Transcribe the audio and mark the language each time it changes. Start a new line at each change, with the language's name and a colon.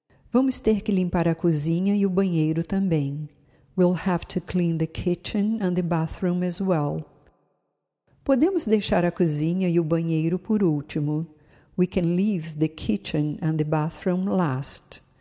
Portuguese: Vamos ter que limpar a cozinha e o banheiro também.
English: We'll have to clean the kitchen and the bathroom as well.
Portuguese: Podemos deixar a cozinha e o banheiro por último.
English: We can leave the kitchen and the bathroom last.